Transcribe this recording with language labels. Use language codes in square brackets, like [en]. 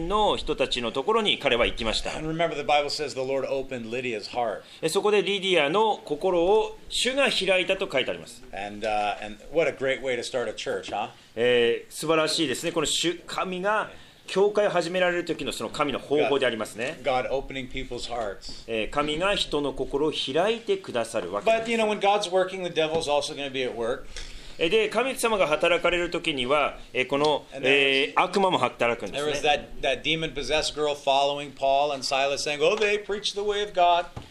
[ja] で、そこで、この川の岸のところに、いた、数人の人たちのところに彼は行きました。 [en] And remember, the Bible says the Lord opened Lydia's heart. [ja] そこでリディアの心を主が開いたと書いてあります。 [en] And what a great way to start a church, huh? [ja] 素晴らしいですね、この主、神が 教会を始められる時のその神の方法でありますね。 [en] God opening people's hearts. [ja] 神が人の心を開いてくださるわけです。 [en] But you know, when God's working, the devil's also going to be at work. [ja] で、神様が働かれる時には、悪魔も働くんですね。 [en] There was that demon-possessed girl following Paul and Silas saying, oh, they preach the way of God.